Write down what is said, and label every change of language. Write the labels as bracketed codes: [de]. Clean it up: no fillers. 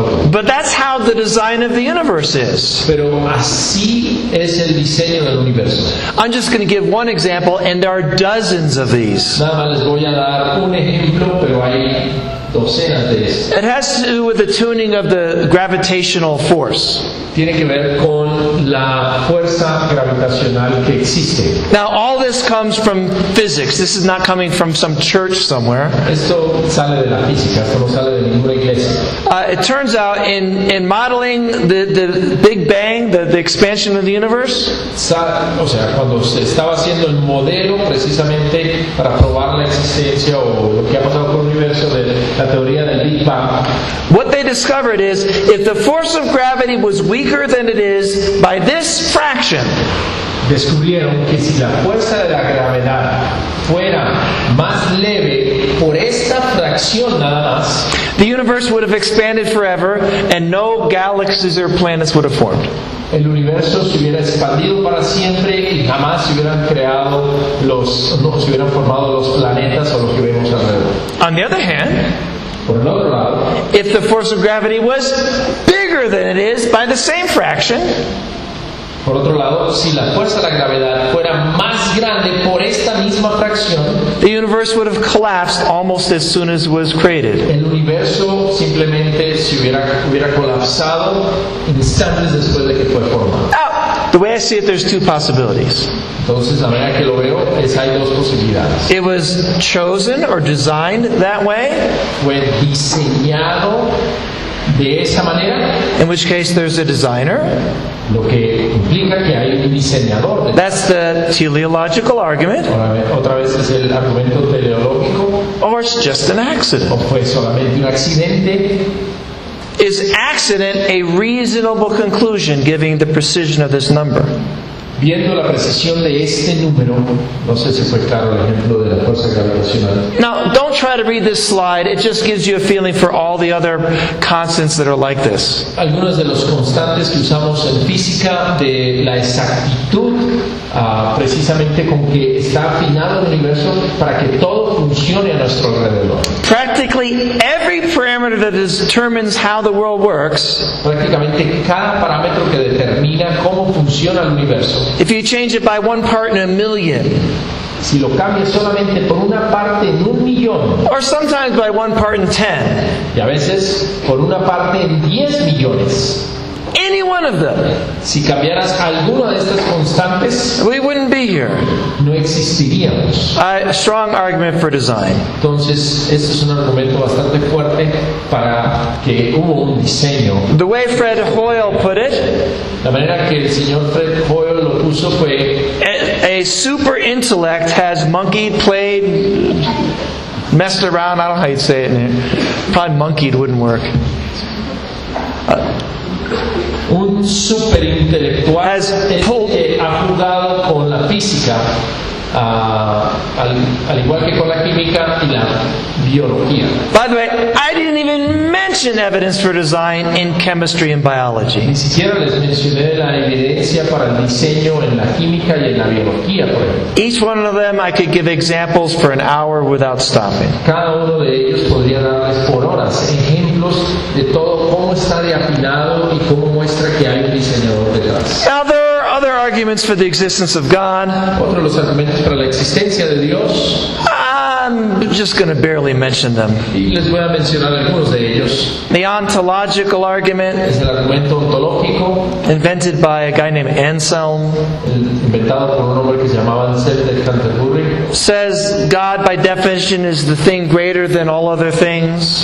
[en] But that's how the design of the universe is. [es] Pero así es el diseño del universo. [en] I'm just going to give one example, and there are dozens of these. [es] Nada más les voy a dar un ejemplo, pero hay docenas de estos. [en] It has to do with the tuning of the gravitational force. [es] Tiene que ver con la fuerza gravitacional que existe. [en] Now, all this comes from physics. This is not coming from some church somewhere. [es] Esto sale de la física, esto no sale de ninguna iglesia. [en] It turns out in modeling the Big Bang, the expansion of the universe, [es] o sea, cuando se estaba haciendo el modelo precisamente para probar la existencia o lo que ha pasado con el universo de la teoría del Big Bang. [en] What they discovered is if the force of gravity was weaker than it is by this fraction. [es] Descubrieron que si la fuerza de la gravedad fuera más leve por esta fracción nada más, [en] the universe would have expanded forever and no galaxies or planets would have formed. [es] El universo se hubiera expandido para siempre y jamás se hubieran creado se hubieran formado los planetas o lo que vemos alrededor. [en] On the other hand, [es] por el otro lado, [en] if the force of gravity was bigger than it is by the same fraction, [es] Por otro lado, si la fuerza de la gravedad fuera más grande por esta misma fracción, [en] the universe would have collapsed almost as soon as it was created. [es] El universo simplemente se hubiera colapsado instantes después de que fue formado. [en] Oh, the way I see it, there's two possibilities. [es] Entonces, la manera que lo veo es hay dos posibilidades. [en] It was chosen or designed that way. [es] Fue diseñado de esta manera. [en] In which case, there's a designer. [es] Lo que implica que hay un diseñador. [en] That's the teleological argument. [es] Otra vez es el argumento teleológico. [en] Or it's just an accident. [es] O fue solamente un accidente. [en] Is accident a reasonable conclusion given the precision of this number? [es] Viendo la precisión de este número, no sé si fue claro el ejemplo de la fuerza gravitacional. [en] Now, don't try to read this slide. It just gives you a feeling for all the other constants that are like this. [es] Algunos de los constantes que usamos en física de la exactitud, precisamente con que está afinado el universo para que todo funcione a nuestro alrededor. [en] Practically every parameter that determines how the world works, [es] prácticamente cada parámetro que determina cómo funciona el universo. [en] If you change it by one part in a million, [es] si lo cambias solamente por una parte en un millón, [en] or sometimes by one part in 10, [es] y a veces por una parte en 10 millones, [en] any one of them, [es] si cambiaras alguna de estas constantes, [en] we wouldn't be here. [es] No existiríamos. [en] A strong argument for design. [es] Entonces, este es un argumento bastante fuerte para que hubo un diseño. [en] The way Fred Hoyle put it, [es] la manera que el señor Fred Hoyle lo puso fue, [en] a super intellect has monkeyed, played, messed around, I don't know how you'd say it in here. Probably monkeyed wouldn't work. [es] Un super intelectual [en] has pulled, [es] que ha jugado con la física, al igual que con la química y la biología. [en] By the way, I didn't even mention evidence for design in chemistry and biology. [es] Ni siquiera les mencioné la evidencia para el diseño en la química y en la biología, por ejemplo. [en] Each one of them I could give examples for an hour without stopping. [es] Cada uno de ellos podría darles por horas ejemplos de todo cómo está de afinado y cómo muestra que hay un diseñador detrás. [en] Other arguments for the existence of God. [es] Otro de los argumentos para la existencia de Dios. [en] I'm just going to barely mention them. [es] Y les voy a mencionar algunos de ellos. [en] The ontological argument. [es] Es el argumento ontológico. [en] Invented by a guy named Anselm. [es] Inventado por un hombre que se llamaba Anselm de Canterbury. [en] Says God by definition is the thing greater than all other things.